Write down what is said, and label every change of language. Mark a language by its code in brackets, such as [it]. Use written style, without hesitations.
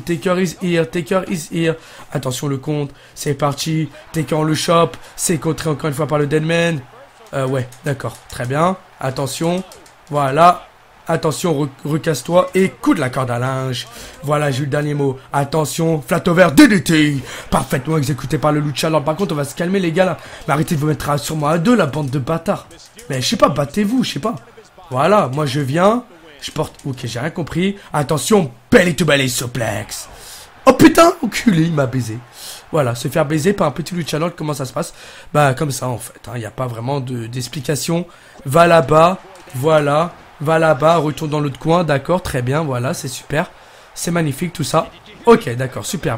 [en] Taker is here. Taker is here. [fr] Attention, le compte. C'est parti. Taker, on le chope. C'est contré encore une fois par le Deadman. Ouais, d'accord. Très bien. Attention. Voilà. Attention, recasse-toi et coude la corde à linge. Voilà, j'ai eu le dernier mot. Attention, flat over DDT. Parfaitement exécuté par le Lucha. Alors, par contre, on va se calmer, les gars. Là. Mais arrêtez de vous mettre sur moi à deux, la bande de bâtards. Mais je sais pas, battez-vous, je sais pas. Voilà, moi je viens. Je porte. Ok, j'ai rien compris. Attention, belly to belly suplex. Oh putain, enculé, il m'a baisé. Voilà, se faire baiser par un petit Lucha Lord, comment ça se passe? Bah, comme ça en fait. Hein, y a pas vraiment d'explication. Va là-bas. Voilà. Va là-bas, retourne dans l'autre coin, d'accord, très bien, voilà, c'est super. C'est magnifique tout ça. Ok, d'accord, super.